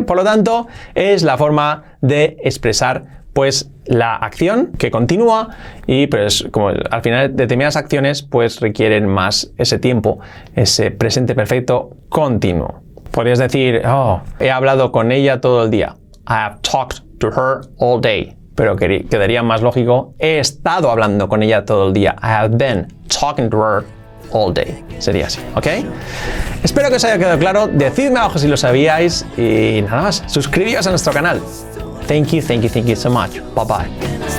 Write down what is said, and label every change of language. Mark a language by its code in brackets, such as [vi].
[es] Por lo tanto, es la forma de expresar pues la acción que continúa y pues como al final determinadas acciones pues requieren más ese tiempo, ese presente perfecto continuo. Podrías decir, oh, he hablado con ella todo el día. [en] I have talked to her all day. [es] Pero quedaría más lógico, he estado hablando con ella todo el día. [en] I have been talking to her all day. [es] Sería así, ¿ok? Espero que os haya quedado claro. Decidme abajo si lo sabíais y nada más, suscribíos a nuestro canal. [en] Thank you so much. Bye bye.